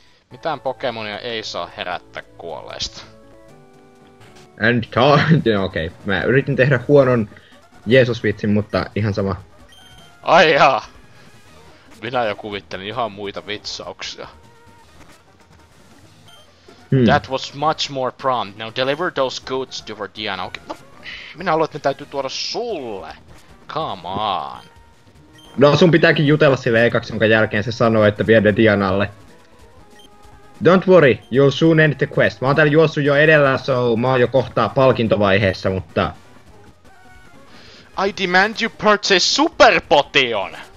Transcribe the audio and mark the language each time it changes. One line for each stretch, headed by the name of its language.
Finnish: Mitään Pokemonia ei saa herättää kuolleista.
English: And time, okei.
Finnish: Mä yritin tehdä huonon Jeesus-vitsin, mutta ihan sama. Aijaa! Minä jo kuvittelin ihan muita vitsauksia. Hmm.
English: That was much more prompt. Now deliver those goods to your Diana. Okay.
Finnish: Minä haluan, että ne täytyy tuoda sulle.
English: Come on.
Finnish: No sun pitääkin jutella sille ekaksi, jonka jälkeen se sanoo, että vie ne Dianalle.
English: Don't worry, you'll soon end the quest.
Finnish: Mä oon täällä juossut jo edellä, so mä oon jo kohtaa palkintovaiheessa, mutta...
English: I demand you purchase superpotion!